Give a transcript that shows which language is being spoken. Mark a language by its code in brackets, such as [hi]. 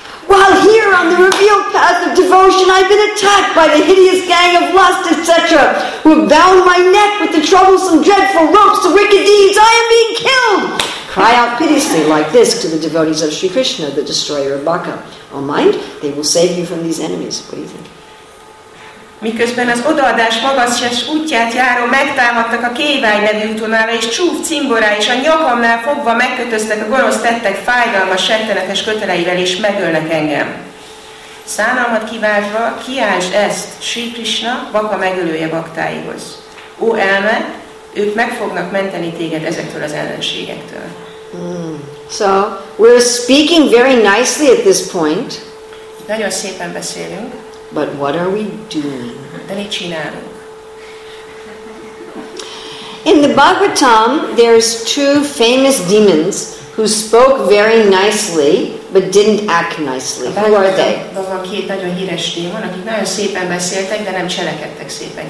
[en] While here on the revealed path of devotion, I've been attacked by the hideous gang of lust, etc., who have bound my neck with the troublesome, dreadful ropes of wicked deeds. I am being killed! Cry out piteously like this to the devotees of Sri Krishna, the destroyer of Baka. O mind, they will save you from these enemies. What do you think? [hu] Miközben az odaadás magasztos útját járom, megtámadtak a Kévány nevű utonára, és csúf cimborá, és a nyakamnál fogva megkötöztek a gonosz tettek fájdalmas, rettenetes köteleivel, és megölnek engem. Szánalmat kiváltva, kiáltsd ezt Sri Krishna, baka megölője baktáihoz. Ó elme, ők meg fognak menteni téged ezektől az ellenségektől. [en] So, we're speaking very nicely at this point. [hu] Nagyon szépen beszélünk. [en] But what are we doing? [hu] De mit csinálunk? [en] In the Bhagavatam, there's two famous demons who spoke very nicely, but didn't act nicely. Who are they? [hu] Van két nagyon híres démon, akik nagyon szépen beszéltek, de nem cselekedtek szépen.